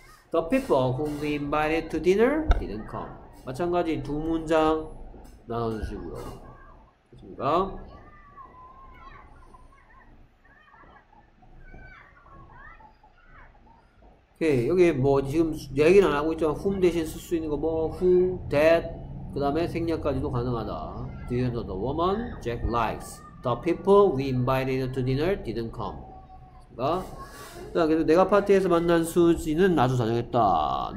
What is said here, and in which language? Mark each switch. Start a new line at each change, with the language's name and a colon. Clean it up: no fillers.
English: The people whom we invited to dinner didn't come.
Korean: 마찬가지 두 문장 나눠주시고요. 그렇습니까? 오케이. 여기 뭐 지금 얘기는 안 하고 있지만 whom 대신 쓸수 있는 거뭐 who, that, 그 다음에 생략까지도 가능하다.
English: Do you know the woman Jack likes? The people we invited to dinner didn't come.
Korean: 자, 그래서 내가 파티에서 만난 수지는 아주 다정했다.